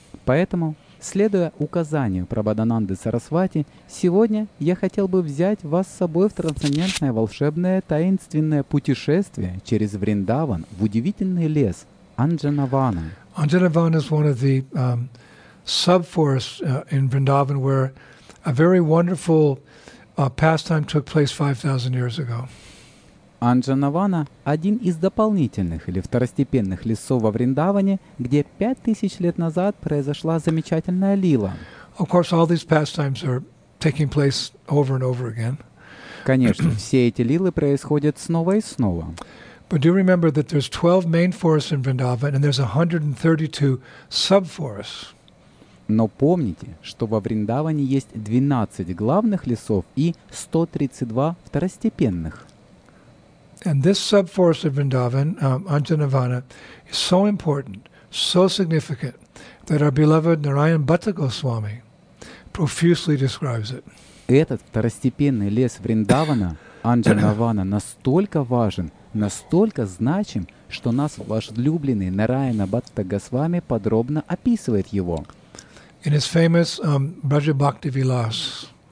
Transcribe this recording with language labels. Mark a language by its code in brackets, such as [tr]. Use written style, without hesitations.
[ru] Поэтому, следуя указанию Прабхадананды Сарасвати, сегодня я хотел бы взять вас с собой в трансцендентное волшебное таинственное путешествие через Вриндаван в удивительный лес Анджана Вана. [en] Анджана Вана is one of the sub-forests in Vrindavan where a very wonderful pastime took place 5,000 years ago. [ru] Анджанавана – один из дополнительных или второстепенных лесов во Вриндаване, где 5000 лет назад произошла замечательная лила. [en] Of course, all these pastimes are taking place over and over again. [ru] Конечно, все эти лилы происходят снова и снова. [en] But do remember that there's 12 main forests in Vrindavan and there's 132 sub-forests. [ru] Но помните, что во Вриндаване есть 12 главных лесов и 132 второстепенных. [en] And this sub-forest of Vrindavan, Anjanavana, is so important, so significant, that our beloved Narayan Bhatta Goswami profusely describes it. [ru] Этот второстепенный лес Вриндавана, Анджанавана, настолько важен, настолько значим, что нас возлюбленный Нараяна Бхатта Госвами подробно описывает его. [en] In his famous Vraja Bhakti Vilas.